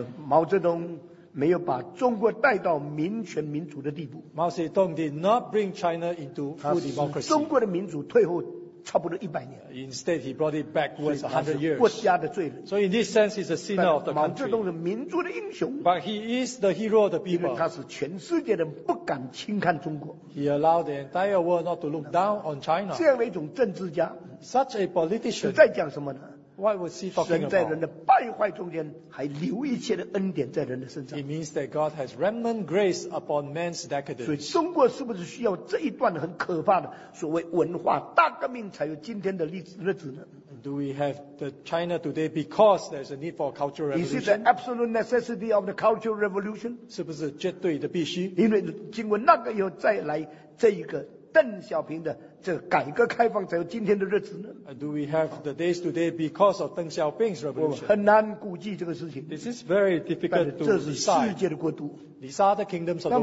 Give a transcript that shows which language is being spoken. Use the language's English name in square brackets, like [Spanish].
[Chinese] 毛泽东 没有把中国带到民权民主的地步, [English] Mao Zedong did not bring China into full democracy. [Chinese] 中国的民主退后 差不多100年, [English] instead he brought it backwards 100 years. [Chinese] 国家的罪人, [English] so in this sense he's a sinner of the country. [Chinese] 毛泽东是民族的英雄, [English] but he is the hero of the people. [Chinese] 因为他是全世界的不敢轻看中国, [English] he allowed the entire world not to look down on China. [Chinese] 这样的一种政治家, [English] such a politician, [Chinese] 你在讲什么呢? [English] What was he talking [Chinese] 神在人的败坏中间, 还留一切的恩典在人的身上。 [English] It means that God has remnant grace upon man's decadence. [Chinese] 所以中国是不是需要这一段很可怕的, 所谓文化大革命才有今天的历史的日子呢? [English] Do we have the China today because there's a need for a cultural revolution? Is it the absolute necessity of the cultural revolution? [Chinese] 是不是绝对的必须? 因为经过那个以后再来, 这一个, 邓小平的这改革开放才有今天的日子呢? [English] Do we have the days today because of Deng Xiaoping's revolution? [Chinese] 我很难估计这个事情, [English] this is very difficult to decide. [Chinese] 这是世界的国度, [English] these are the kingdoms of the world.